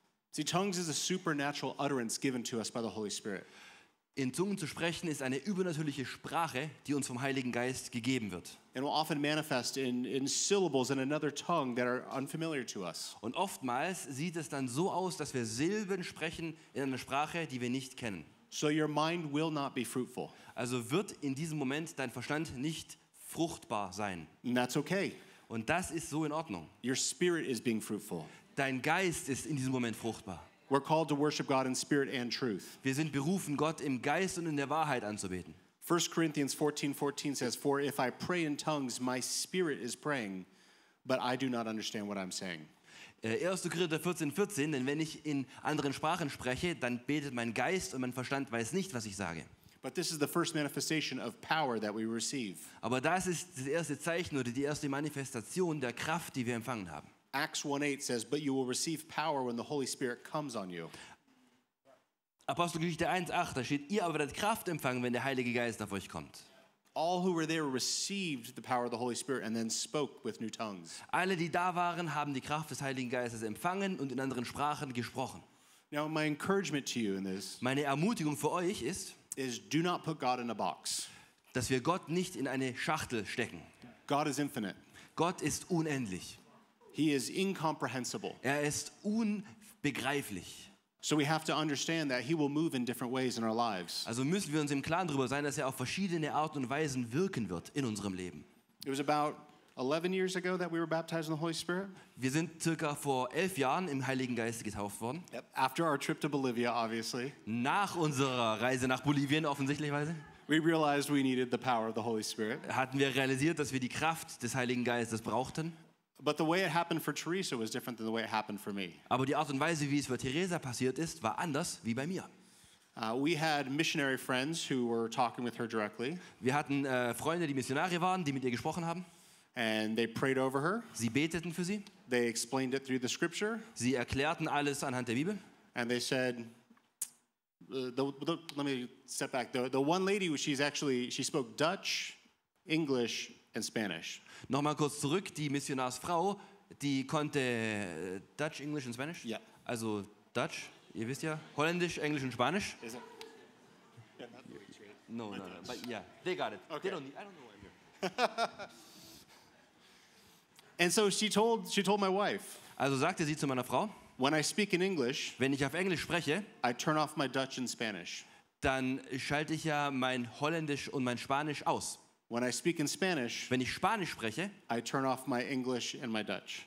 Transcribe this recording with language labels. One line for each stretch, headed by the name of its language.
English: See, tongues is a supernatural utterance given to us by the Holy Spirit.
German: In Zungen zu sprechen ist eine übernatürliche Sprache, die uns vom Heiligen Geist gegeben wird.
English: And will often manifest in syllables in another tongue that are unfamiliar to us.
German: Und oftmals sieht es dann so aus, dass wir Silben sprechen in einer Sprache, die wir nicht kennen.
English: So your mind will not be fruitful.
German: Also wird in diesem Moment dein Verstand nicht fruchtbar sein.
English: And that's okay.
German: Und das ist so in Ordnung.
English: Your spirit is being fruitful.
German: Dein Geist ist in diesem Moment fruchtbar.
English: We're called to worship God in spirit and truth.
German: Wir sind berufen, Gott im Geist und in der Wahrheit anzubeten.
English: 1 Corinthians 14:14 says, "For if I pray in tongues, my spirit is praying, but I do not understand what I'm saying."
German: 1. Korinther 14:14, denn wenn ich in anderen Sprachen spreche, dann betet mein Geist und mein Verstand weiß nicht, was ich sage.
English: But this is the first manifestation of power that we receive.
German: Aber das ist das erste Zeichen oder die erste Manifestation der Kraft, die wir empfangen haben.
English: Acts 1:8 says, "But you will receive power when the Holy Spirit comes on you."
German: Apostelgeschichte 1:8, da steht: Ihr aber werdet Kraft empfangen, wenn der Heilige Geist auf euch kommt.
English: All who were there received the power of the Holy Spirit and then spoke with new tongues.
German: Alle, die da waren, haben die Kraft des Heiligen Geistes empfangen und in anderen Sprachen gesprochen.
English: Now my encouragement to you in this.
German: Meine Ermutigung für euch ist:
English: Is do not put God in a box.
German: Dass wir Gott nicht in eine Schachtel stecken.
English: God is infinite.
German: Gott ist unendlich.
English: He is incomprehensible.
German: Er ist unbegreiflich.
English: So we have to understand that he will move in different ways in our lives.
German: Also müssen wir uns im Klaren darüber sein, dass er auf verschiedene Arten und Weisen wirken wird in unserem Leben.
English: It was about 11 years ago that we were baptized in the Holy Spirit.
German: Wir sind circa vor 11 Jahren im Heiligen Geist getauft worden.
English: Yep. After our trip to Bolivia, obviously.
German: Nach unserer Reise nach Bolivien offensichtlicherweise.
English: We realized we needed the power of the Holy Spirit.
German: Hatten wir realisiert, dass wir die Kraft des Heiligen Geistes brauchten.
English: But the way it happened for Teresa was different than the way it happened for me.
German: Aber die Art und Weise, wie es für Teresa passiert ist, war anders wie bei mir.
English: We had missionary friends who were talking with her directly.
German: Wir hatten Freunde, die Missionare waren, die mit ihr gesprochen haben.
English: And they prayed over her.
German: Sie beteten für sie.
English: They explained it through the scripture.
German: Sie erklärten alles anhand der Bibel.
English: And they said, let me step back. The one lady, she spoke Dutch, English, and Spanish.
German: Nochmal kurz zurück, die Missionarsfrau, die konnte
English: Dutch, English and Spanish? Yeah.
German: Also Dutch, ihr wisst ja, Holländisch, Englisch und Spanisch.
English: Is it? Yeah, not the way you treat. No, no, but yeah, they got it. Okay. They don't need, I don't know why I'm here. And so she told my wife.
German: Also sagte sie zu meiner Frau.
English: When I speak in English,
German: wenn ich auf Englisch spreche,
English: I turn off my Dutch and Spanish.
German: Dann schalte ich ja mein Holländisch und mein Spanisch aus.
English: When I speak in Spanish,
German: wenn ich Spanisch spreche,
English: I turn off my English and my Dutch.